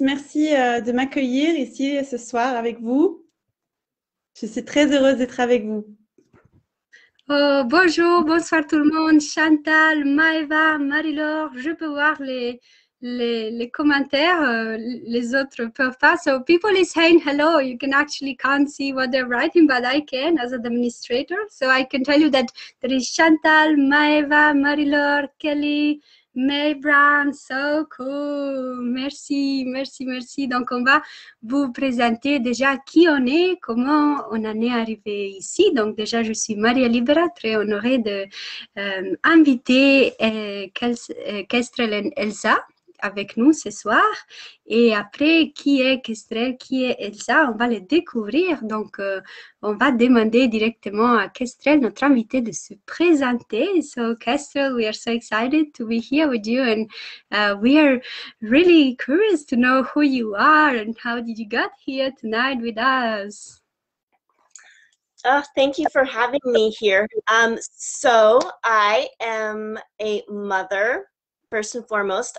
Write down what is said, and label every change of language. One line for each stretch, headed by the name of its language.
French: Merci de m'accueillir ici ce soir avec vous. Je suis très heureuse d'être avec vous. Oh, bonjour, bonsoir tout le monde. Chantal, Maëva, Marie-Laure, je peux voir les commentaires, les autres peuvent pas.
English: So people are saying hello. You can actually can't see what they're writing, but I can as an administrator. So I can tell you that there is Chantal, Maeva, Marie-Laure, Kelly, Maybrand. So cool.
French: Merci, merci, merci. Donc on va vous présenter déjà qui on est, comment on en est arrivé ici. Donc déjà je suis Maria Libera, très honorée de inviter Kestrel et Elsa avec nous ce soir. Et après, qui est Kestrel, qui est Elsa, on va les découvrir. Donc, on va demander directement à Kestrel, notre invitée, de se présenter.
English: So, Kestrel, we are so excited to be here with you. And we are really curious to know who you are and how did you get here tonight with us? Oh, thank you for having me here. So I am a mother, first and foremost.